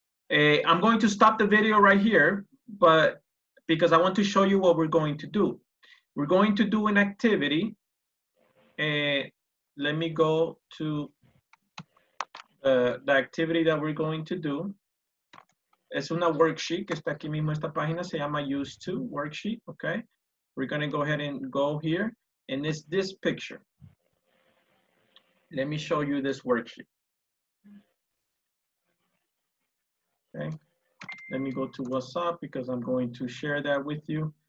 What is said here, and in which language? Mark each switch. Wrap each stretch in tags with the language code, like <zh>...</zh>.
<en>I'm going to stop the video right here, but because I want to show you what we're going to do. We're going to do an activity, and let me go to the activity that we're going to do.</en> <es>es una worksheet que está aquí mismo en esta página, se llama Used To Worksheet, okay?</es> <en>We're gonna go ahead and go here, and it's this picture. Let me show you this worksheet. Okay, let me go to WhatsApp because I'm going to share that with you.</en>